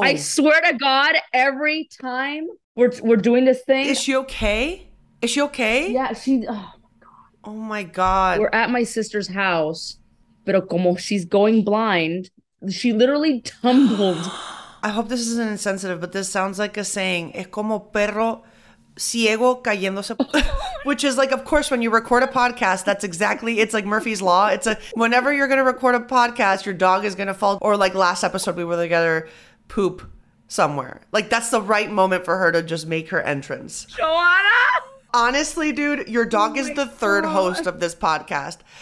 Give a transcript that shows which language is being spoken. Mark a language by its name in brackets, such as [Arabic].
[English] I swear to God, every time We're doing this thing. Is she okay? Is she okay? Yeah, she. Oh my god. Oh my god. We're at my sister's house, [Spanish] pero como [English] she's going blind, she literally tumbled. I hope this isn't insensitive, but this sounds like a saying. [Spanish] Es como perro ciego cayéndose. [English] Which is like, of course, when you record a podcast, that's exactly, it's like Murphy's Law. It's a, whenever you're going to record a podcast, your dog is going to fall. Or like last episode, we were together, poop somewhere. Like that's the right moment for her to just make her entrance. Joanna! Honestly, dude, your dog is the third host of this podcast.